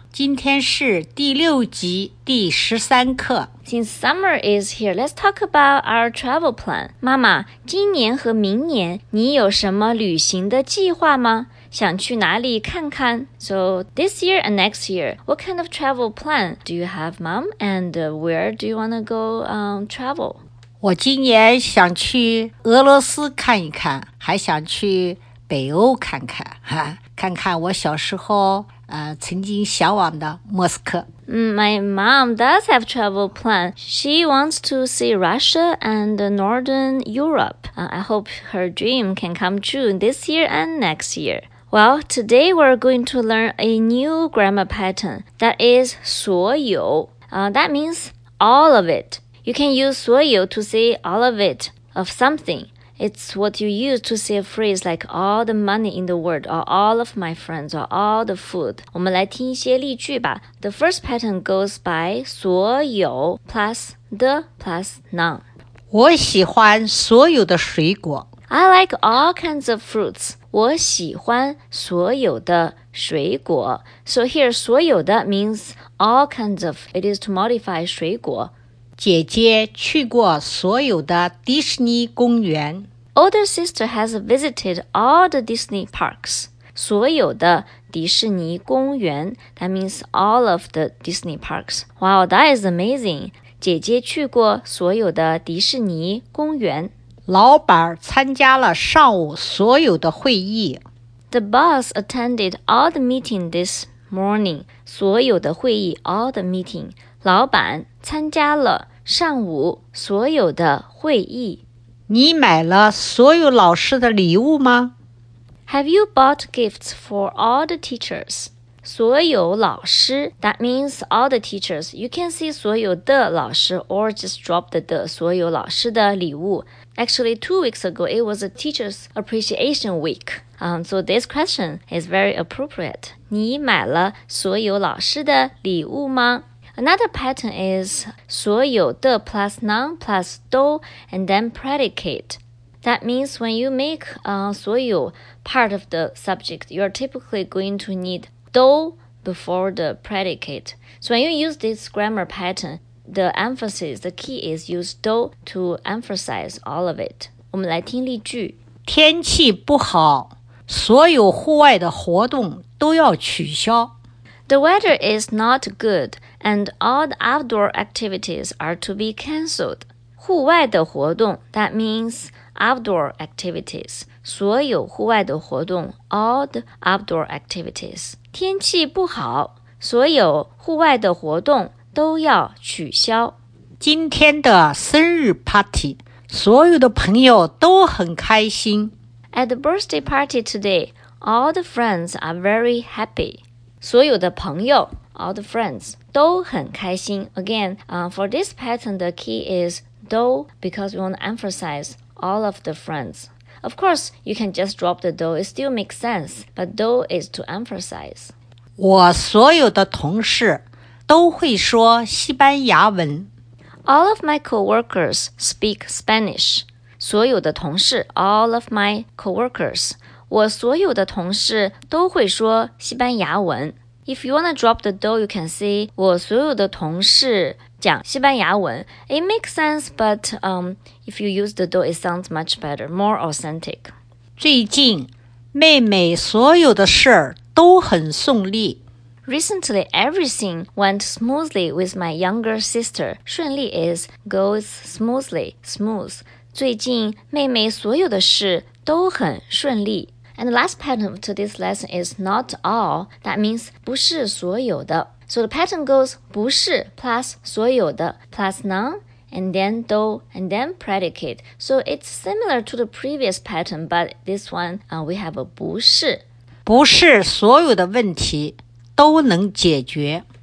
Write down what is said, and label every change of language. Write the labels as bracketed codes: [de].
[zh] 今天是第六集第十三课。 [en] Since summer is here, let's talk about our travel plan. [zh] 妈妈，今年和明年你有什么旅行的计划吗？想去哪里看看? [en] So this year and next year, what kind of travel plan do you have, Mom? And where do you want to go travel? 我今年想去俄罗斯看一看，还想去北欧看看，看看我小时候曾经向往的莫斯科。 My mom does have travel plan. She wants to see Russia and Northern Europe. I hope her dream can come true this year and next year. Well, today we're going to learn a new grammar pattern, that is 所有. That means all of it. You can use 所有 to say all of it, of something. It's what you use to say a phrase like all the money in the world, or all of my friends, or all the food. [zh] 我们来听一些例句吧。 [en] The first pattern goes by 所有 plus the plus noun. [zh] 我喜欢所有的水果。 [en] I like all kinds of fruits. [zh] 我喜欢所有的水果。 [en] So here, 所有的 means all kinds of. It is to modify 水果。 [zh] 姐姐去过所有的迪士尼公园。 [en] Older sister has visited all the Disney parks. [zh] 所有的迪士尼公园。 [en] That means all of the Disney parks. Wow, that is amazing. [zh] 姐姐去过所有的迪士尼公园。老板参加了上午所有的会议。 [en] The boss attended all the meeting this morning. [zh] 所有的会议 [en] all the meeting. [zh] 老板参加了上午所有的会议。你买了所有老师的礼物吗？ [en] Have you bought gifts for all the teachers? [zh] 所有老师 [en] that means all the teachers. You can see 所有的老师 or just drop the [zh] 所有老师的礼物。 [en] Actually, 2 weeks ago, it was a Teacher's Appreciation Week. So this question is very appropriate. [zh] 你买了所有老师的礼物吗? [en] Another pattern is 所有的 plus noun plus 都 and then predicate. That means when you make 所有 part of the subject, you're typically going to need 都 before the predicate. So when you use this grammar pattern,The emphasis, the key is use 都 to emphasize all of it. [zh] 我们来听例句。天气不好，所有户外的活动都要取消。 [en] The weather is not good, and all the outdoor activities are to be cancelled. [zh] 户外的活动 [en] that means outdoor activities. [zh] 所有户外的活动 [en] all the outdoor activities. [zh] 天气不好，所有户外的活动都要取消。今天的生日 party, 所有的朋友都很开心。 [en] At the birthday party today, all the friends are very happy. [zh] 所有的朋友 [en] all the friends, [zh] 都很开心。 [en] Again, for this pattern, the key is 都 because we want to emphasize all of the friends. Of course, you can just drop the 都, it still makes sense, but 都 is to emphasize. [zh] 我所有的同事都会说西班牙文。 [en] All of my coworkers speak Spanish. [zh] 所有的同事 [en] all of my coworkers. [zh] 我所有的同事都会说西班牙文。 [en] If you want to drop the do, you can say [zh] 我所有的同事讲西班牙文。 [en] It makes sense, but if you use the do, it sounds much better, more authentic. [zh] 最近妹妹所有的事都很顺利。 [en] Recently, everything went smoothly with my younger sister. 顺利 is goes smoothly, smooth. [zh] 最近妹妹所有的事都很顺利。 [en] And the last pattern to this lesson is not all. That means [zh] 不是所有的。 [en] So the pattern goes 不是 plus 所有的 plus none and then 都 and then predicate. So it's similar to the previous pattern, but this one we have a 不是。 [zh] 不是所有的问题。都能解决。